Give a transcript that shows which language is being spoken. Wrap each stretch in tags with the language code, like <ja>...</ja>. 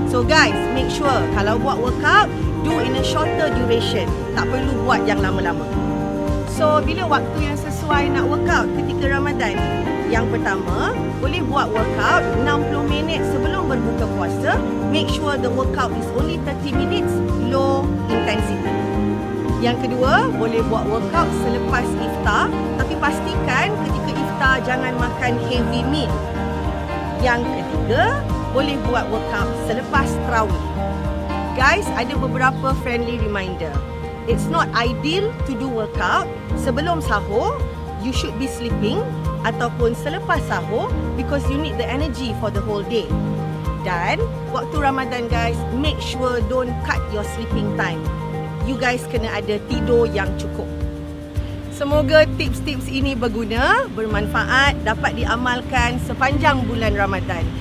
<en>So guys, make sure</en> <ms>kalau buat</ms> <en>workout, do in a shorter duration.</en> <ms>Tak perlu buat yang lama-lama.</ms> <en>So,</en> <ms>bila waktu yang sesuai nak workout ketika Ramadan? Yang pertama, boleh buat workout 60 minit sebelum berbuka puasa.</ms> <en>Make sure the workout is only 30 minutes, low intensity.</en> <ms>Yang kedua, boleh buat workout selepas iftar. Tapi pastikan ketika iftar jangan makan</ms> <en>heavy meat.</en> <ms>Yang ketiga, boleh buat workout selepas terawih.</ms> <en>Guys,</en> <ms>ada beberapa</ms> <en>friendly reminder. It's not ideal to do workout</en> <ms>sebelum sahur.</ms> <en>You should be sleeping</en> <ms>ataupun selepas sahur</ms> <en>because you need the energy for the whole day.</en> <ms>Dan waktu</ms> <en>Ramadan guys, make sure don't cut your sleeping time. You guys</en> <ms>kena ada tidur yang cukup. Semoga tips-tips ini berguna, bermanfaat, dapat diamalkan sepanjang bulan Ramadan.</ms>